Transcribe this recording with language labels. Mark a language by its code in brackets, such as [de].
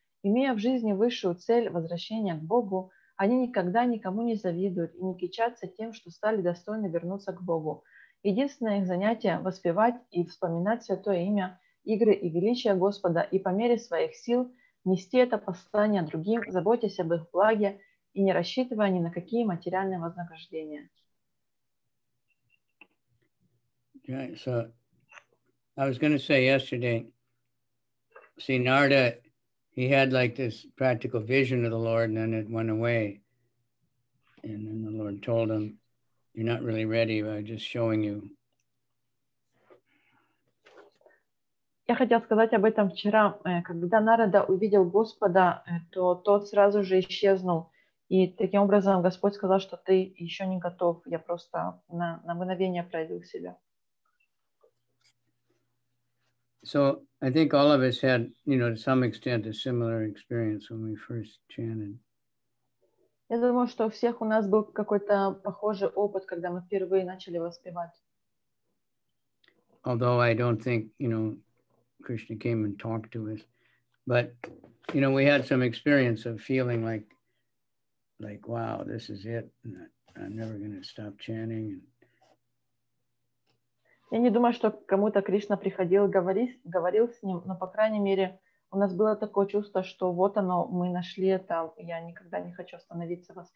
[ru] Имея в жизни высшую цель – возвращение к Богу, они никогда никому не завидуют и не кичатся тем, что стали достойны вернуться к Богу. Единственное их занятие – воспевать и вспоминать святое имя, игры и величие Господа, и по мере своих сил нести это послание другим, заботясь об их благе и не рассчитывая ни на какие материальные вознаграждения. [en] Right, so I was going to say yesterday, see, Narada, he had like this practical vision of the Lord, and then it went away. And then the Lord told him, you're not really ready, I'm just showing you. [ru] Я хотел сказать об этом вчера. Когда Нарада увидел Господа, то тот сразу же исчезнул. И таким образом Господь сказал, что ты еще не готов. Я просто на мгновение проявил себя. [en] So I think all of us had, you know, to some extent, a similar experience when we first chanted. [ru] Я думаю, что у всех у нас был какой-то похожий опыт, когда мы впервые начали воспевать. [en] Although I don't think, you know, Krishna came and talked to us, but you know, we had some experience of feeling like, wow, this is it. I'm never going to stop chanting. [ru] Я не думаю, что кому-то Кришна приходил говорил с ним, но, по крайней мере, у нас было такое чувство, что вот оно, мы нашли это, я никогда не хочу остановиться